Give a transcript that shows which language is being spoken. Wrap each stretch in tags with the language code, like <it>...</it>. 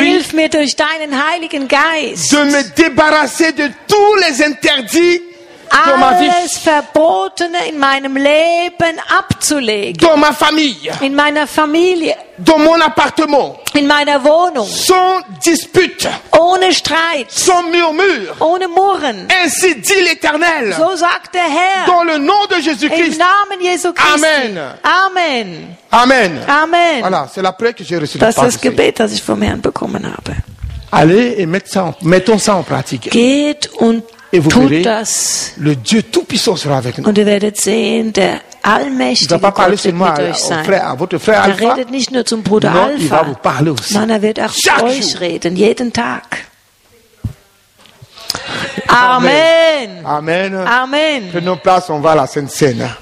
<de>Hilf mir durch deinen Heiligen Geist.</de> <fr>De me débarrasser de tous les interdits dans ma vie.</fr> <de>Alles Verbotene in meinem Leben abzulegen.</de> <fr>Dans ma famille.</fr> <de>In meiner Familie.</de> <fr>Dans mon appartement.</fr> <de>In meiner Wohnung.</de> <fr>Sans dispute.</fr> <de>Ohne Streit.</de> <fr>Sans murmure.</fr> <de>Ohne Murren.</de> <fr>Ainsi dit l'Éternel.</fr> <de>So sagt der Herr.</de> <fr>Dans le nom de Jésus-Christ.</fr> <de>Im Namen Jesu Christi. Amen. Amen. Amen. Amen.</de> <fr>Voilà, c'est la prière que j'ai reçue.</fr> <de>Das ist das Gebet, das ich vom Herrn bekommen habe.</de> <fr>Allez et mettons ça en pratique.</fr> <de>Geht und</de> <fr>et vous</fr> <de>tut</de> <fr>verrez,</fr> <de>das.</de> <fr>Le Dieu Tout-Puissant sera avec nous.</fr> <de>Und ihr werdet sehen, der Allmächtige Gott wird mit euch sein.</de> <fr>Frère</fr> <de>er redet nicht nur zum Bruder</de> <fr>non,</fr> <de>Alpha, sondern er wird auch zu euch reden, jeden Tag. Amen. Amen. Amen.</de> <fr>Prenons place, on va à la Sainte-Seine.</fr>